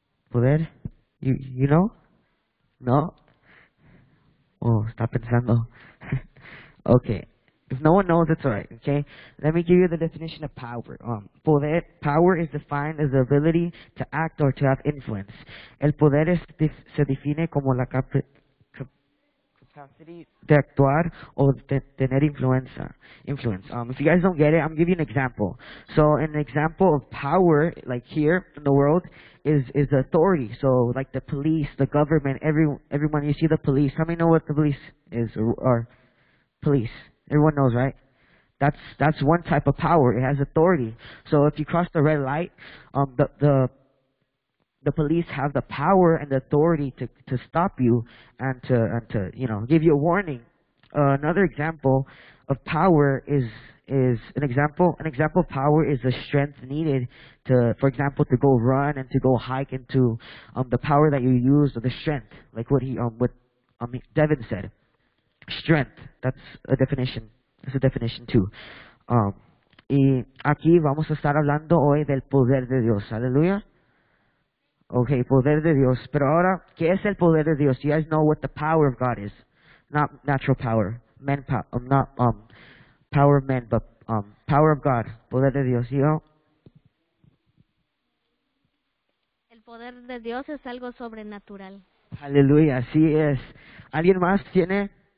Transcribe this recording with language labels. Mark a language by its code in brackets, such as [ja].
[es] Poder? [en] You know? [es] No? Oh, está pensando. Okay. [en] If no one knows, it's all right, okay? Let me give you the definition of power. Poder, power is defined as the ability to act or to have influence. [es] El poder es, se define como la [en] capacity [es] de actuar o de tener influencia. [en] Influence. If you guys don't get it, I'm giving an example. So an example of power, like here in the world, is authority. So like the police, the government, everyone, you see the police. How many know what the police is or police? Everyone knows, right? That's one type of power. It has authority. So if you cross the red light, the police have the power and the authority to stop you and to you know, give you a warning. Another example of power is an example of power is the strength needed to, for example, to go run and to go hike and to the power that you use or the strength, like what Devin said. Strength, that's a definition. That's a definition too. [es] Y aquí vamos a estar hablando hoy del poder de Dios. Aleluya. Okay, poder de Dios. Pero ahora, ¿qué es el poder de Dios? [en] You guys know what the power of God is. Not natural power. Men power. Not power of men, but power of God. [es] Poder de Dios, [en] you know? [es] El poder de Dios es algo sobrenatural. Aleluya, así es. ¿Alguien más tiene...?